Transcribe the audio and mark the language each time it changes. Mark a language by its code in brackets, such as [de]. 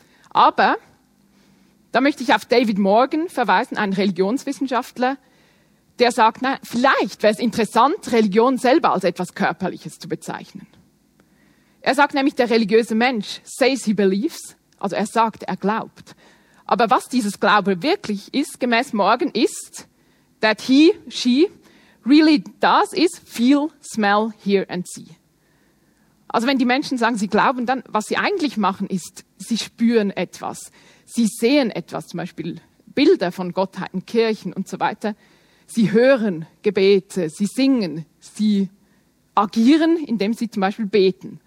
[de] Aber da möchte ich auf David Morgan verweisen, einen Religionswissenschaftler, der sagt, na, vielleicht wäre es interessant, Religion selber als etwas Körperliches zu bezeichnen. Er sagt nämlich, der religiöse Mensch [en] says he believes, [de] also er sagt, er glaubt. Aber was dieses Glaube wirklich ist, gemäß Morgan, ist, [en] that he, she really does is feel, smell, hear and see. [de] Also wenn die Menschen sagen, sie glauben, dann, was sie eigentlich machen, ist, sie spüren etwas. Sie sehen etwas, zum Beispiel Bilder von Gottheiten, Kirchen und so weiter. Sie hören Gebete, sie singen, sie agieren, indem sie zum Beispiel beten.